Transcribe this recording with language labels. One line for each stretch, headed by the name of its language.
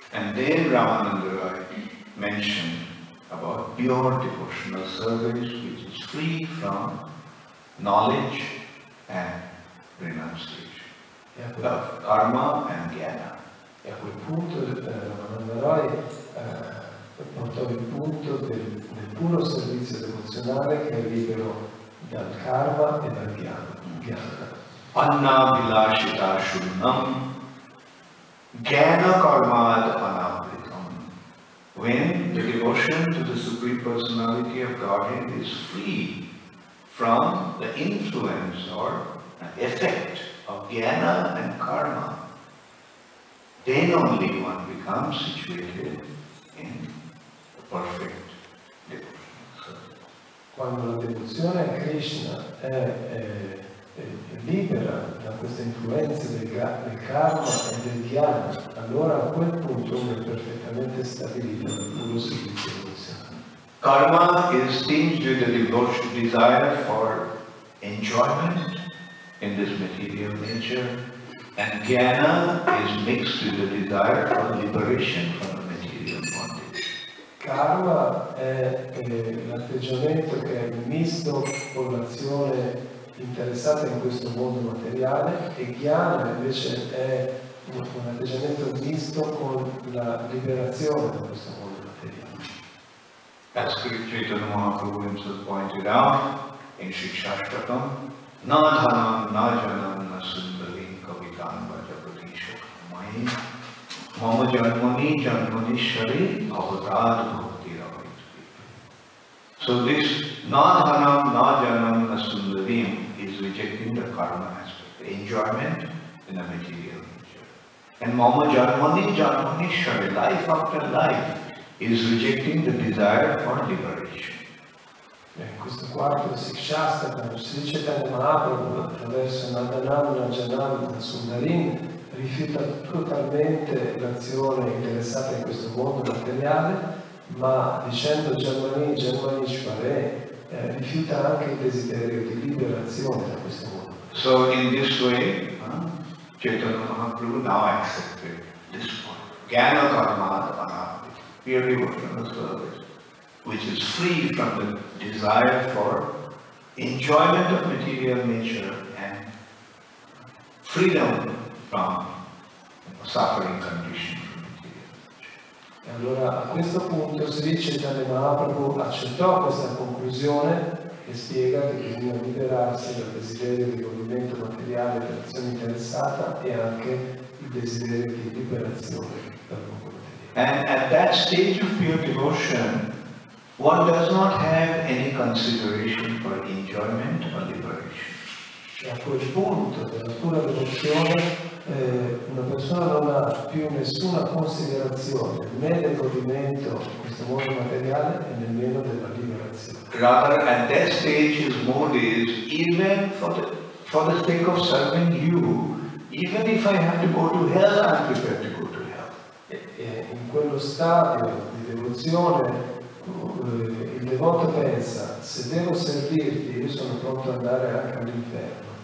English: And then Ramananda Rai mentioned about pure devotional service, which is free from knowledge and renunciation.
Italian: E a quel
English: love, karma and jnana.
Italian: E a quel punto Ramananda Rai portò il punto del puro servizio devozionale che è libero dal karma e dal jnana.
Sanskrit: Anna vilashita shunam jnana karmad anavritam.
English: When the devotion to the Supreme Personality of Godhead is free from the influence or effect of jnana and karma, then only one becomes situated in the perfect devotion.
Italian: Quando la devozione a Krishna è libera da queste influenze del karma e del dhyana, allora a quel punto è perfettamente stabilito il puro servizio devozionale.
English: Karma is tinged with the devotion desire for enjoyment in this material nature, and jnana is mixed with the desire for liberation from the material bondage.
Italian: Karma è l'atteggiamento che è misto con l'azione interessata in questo mondo materiale, e jnana invece è un atteggiamento misto con la liberazione da questo mondo materiale.
English: As Sri Chaitanya Mahaprabhu himself pointed out in Sri Shastakam,
Sanskrit: Nadhanam Najanam Nasundali Kavitan Vajapati Shukamai Mama Janmani Janmani Shari Avatar Bhakti Ravitvi.
English: So this
Sanskrit: Nadhanam Najanam Nasundali
English: is rejecting the karma aspect, the enjoyment in a material nature. And
Sanskrit: Mama Janmani Janmani Shari,
English: life after life, is rejecting the desire for liberation.
Italian: In questo quarto Sikshastra, Sri Chaitanya Mahaprabhu, attraverso
Sanskrit: Nadanam, Janam, Sundarin,
Italian: rifiuta totalmente l'azione interessata in questo mondo materiale, ma dicendo
Sanskrit: Janmani, Janmani, Shvare,
Italian: rifiuta anche il desiderio di liberazione da questo mondo.
English: So in this way, Chaitanya Mahaprabhu now accepted this point.
Sanskrit: Jnana karma adhvana,
English: pure devotional service, which is free from the desire for enjoyment of material nature and freedom from suffering condition from material nature.
Italian: E allora a questo punto Sri Chaitanya Mahaprabhu accettò questa conclusione che spiega che bisogna liberarsi dal desiderio di godimento materiale per l'azione interessata e anche il desiderio di liberazione dal mondo materiale.
English: And at that stage of pure devotion, one does not have any consideration for enjoyment or liberation.
Italian: A quel punto della pura devozione, una persona non ha più nessuna considerazione né del godimento di questo mondo materiale e nemmeno della liberazione.
English: Rather, at that stage, his mood is even for the sake of serving you, even if I have to go to hell, I'm prepared to go to hell.
Italian: In quello stadio di devozione, il devoto pensa: se devo servirti, io sono pronto ad andare anche all'inferno.